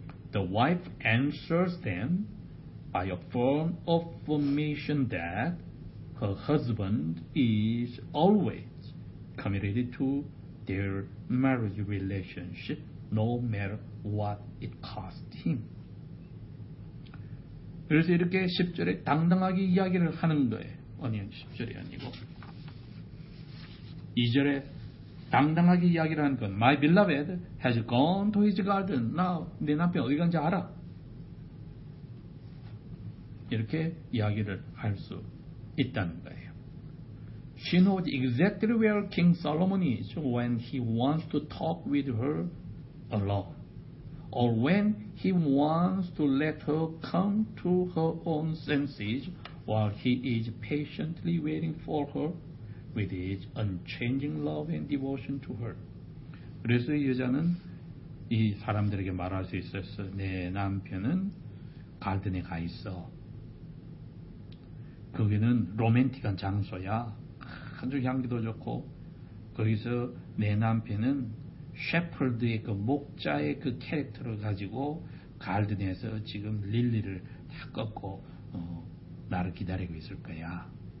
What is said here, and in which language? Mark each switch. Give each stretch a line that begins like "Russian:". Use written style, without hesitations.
English: The wife answers them by a firm affirmation that her husband is always committed to their marriage relationship, no matter what it cost him.
Korean: 그래서 이렇게 10절에 당당하게 이야기를 하는 거예요. 아니, 10절이 아니고. 2절에 당당하게 이야기를 하는 건,
English: My beloved has gone to his garden.
Korean: Now, 내 남편 어디 간지 알아. 이렇게 이야기를 할 수 있다는 거예요.
English: She knows exactly where King Solomon is when he wants to talk with her alone, or when he wants to let her come to her own senses while he is patiently waiting for her with his unchanging love and devotion to her.
Korean: 그래서 이 여자는 이 사람들에게 말할 수 있었어. 내 남편은 가든에 가 있어. 거기는 로맨틱한 장소야. 아주 향기도 좋고 거기서 내 남편은 셰퍼드의 그 목자의 그 캐릭터를 가지고 갈든에서 지금 릴리를 다 꺾고 나를 기다리고 있을 거야.